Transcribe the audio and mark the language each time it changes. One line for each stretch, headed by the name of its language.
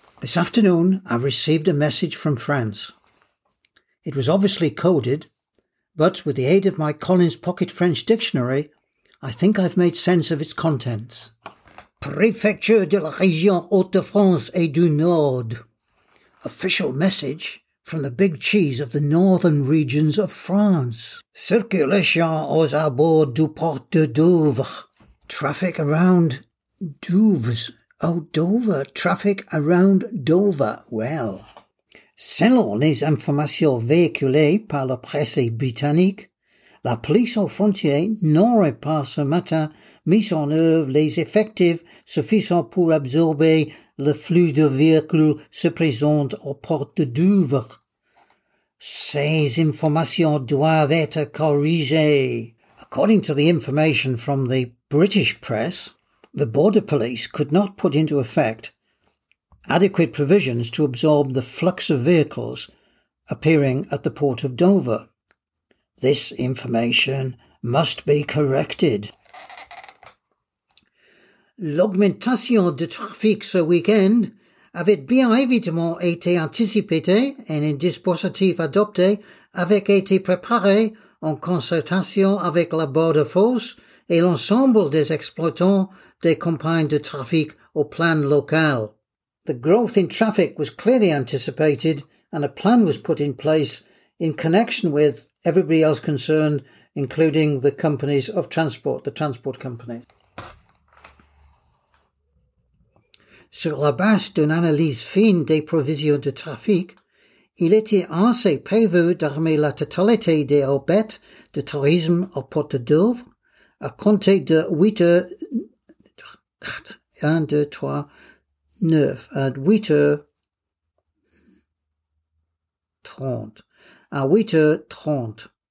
English: This afternoon, I've received a message from France. It was obviously coded, but with the aid of my Collins Pocket French Dictionary, I think I've made sense of its contents.
French: Préfecture de la région Hauts-de-France et du Nord.
English: Official message from the big cheese of the northern regions of France.
French: Circulation aux abords du port de Douvres.
English: Traffic around Douvres. Oh, Dover. Traffic around Dover.
French: Well, selon les informations véhiculées par la presse britannique, la police aux frontières n'aurait pas ce matin mis en œuvre les effectifs suffisants pour absorber le flux de véhicules se présente aux portes de Douvres. Ces informations doivent être corrigées.
English: According to the information from the British press, the border police could not put into effect adequate provisions to absorb the flux of vehicles appearing at the port of Dover. This information must be corrected.
French: L'augmentation de trafic ce week-end avait bien évidemment été anticipée et un dispositif adopté avait été préparé en concertation avec la Border Force et l'ensemble des exploitants des campagnes de trafic au plan local.
English: The growth in traffic was clearly anticipated and a plan was put in place in connection with everybody else concerned, including the companies of transport, the transport company.
French: Sur la base d'une analyse fine des provisions de trafic, il était ainsi prévu d'armer la totalité des orbites de tourisme au port de Douvres à compter de 8h30.